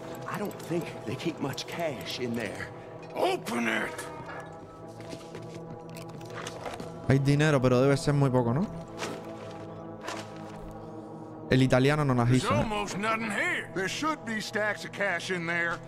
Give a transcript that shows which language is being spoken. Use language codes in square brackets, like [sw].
[en] I don't think they keep much cash in there. Open it! [es] Hay dinero, pero debe ser muy poco, ¿no? El italiano no nos hizo. [en] Almost nothing here. There should be stacks of cash in there.